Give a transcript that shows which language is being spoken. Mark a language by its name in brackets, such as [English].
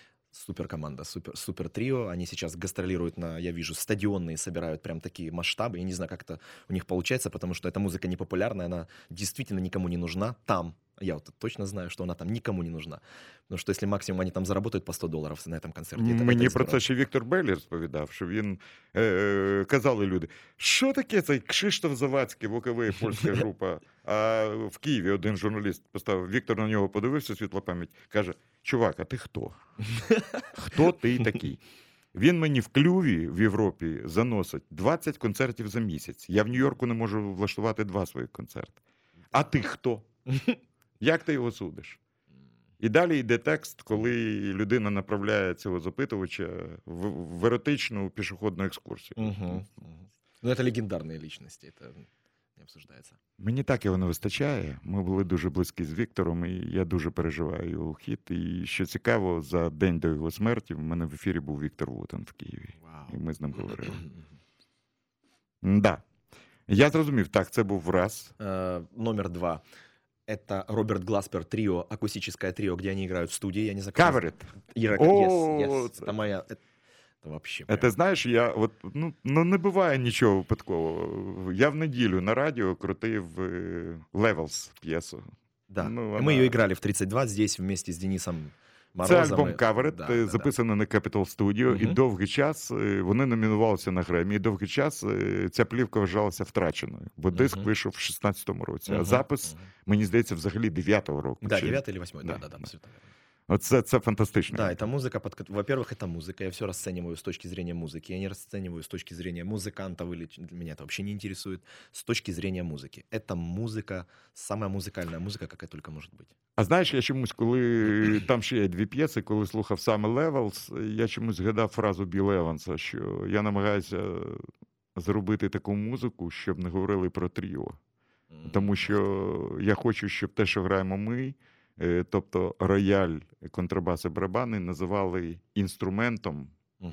[Russian] Супер команда, супер трио. Они сейчас гастролируют на, я вижу, стадионные, собирают прям такие масштабы. Я не знаю, как это у них получается, потому что эта музыка непопулярная, она действительно никому не нужна там. Я вот точно знаю, что она там никому не нужна. Ну что, если максимум они там заработают по $100 на этом концерте. Мне про это еще [Ukrainian] Виктор Белли розповідав, что він казали люди, что таке цей Кшиштоф Завадський, боковий, польська група. А в Києві один журналіст поставив, Віктор на нього подивився, світла пам'ять, каже, чувак, а ти хто? Хто ти такий? Він мені в клюві в Європі заносить 20 концертів за місяць. Я в Нью-Йорку не можу влаштувати 2 своїх концерти. А ти хто? Як ти його судиш? І далі йде текст, коли людина направляє цього запитувача в еротичну пішохідну екскурсію. Ну, це легендарні личності, це не обсуждається. Мені так його не вистачає. Ми були дуже близькі з Віктором, і я дуже переживаю його хід. І що цікаво, за день до його смерті в мене в ефірі був Віктор Вутен в Києві. Вау. І ми з ним говорили. Да. Я зрозумів, так, це був раз. Номер 2. [Russian] Это Роберт Гласпер трио, акустическое трио, где они играют в студии. Я не знаю, как... Covered. Ирак, yes. Это моя... Это вообще. Это прям... знаешь, я вот, [Ukrainian] ну не буває нічого випадкового. Я в неділю на радіо крутив Levels п'єсу. Да. Ну, вона... Ми її іграли в 32 [Russian] здесь вместе [Ukrainian] з Денисом Морозом. Це альбом Covered, да, записаний на Capitol Studio, угу. І довгий час вони номінувалися на Греммі, і довгий час ця плівка вважалася втраченою, бо диск угу. вийшов в 16-му році, угу. а запис, угу. мені здається, взагалі 9-го року. Да, чи... 9-й чи 8-й, да-да-да, абсолютно. Це фантастично. [Russian] Да, это музыка под... Во-первых, это музыка. Я все расцениваю с точки зрения музыки. Я не расцениваю с точки зрения музыкантов или... Меня это вообще не интересует. С точки зрения музыки. Это музыка, самая музыкальная музыка, какая только может быть. [Ukrainian] А знаешь, я чомусь, коли... Там ще є дві п'єси, коли слухав саме Levels, я чомусь згадав фразу Біла Еванса, що я намагаюся зробити таку музику, щоб не говорили про тріо. Тому що я хочу, щоб те, що граємо ми... Тобто рояль, контрабас і барабани називали інструментом, угу.